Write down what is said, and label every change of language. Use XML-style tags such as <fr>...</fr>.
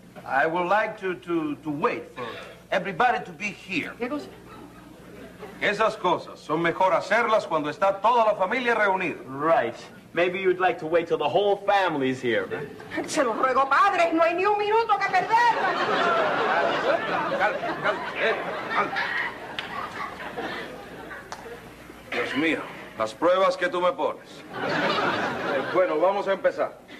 <en>I would like to wait for everybody to be here.</en> <es>¿Qué cosa? Esas cosas son mejor hacerlas cuando está toda la familia reunida.</es> <en>Right. Maybe you'd like to wait till the whole family's here. Right?</en> <es>Se lo ruego, padre, no hay ni un minuto que perder. Dios mío, las pruebas que tú me pones. Bueno, vamos a empezar.</es>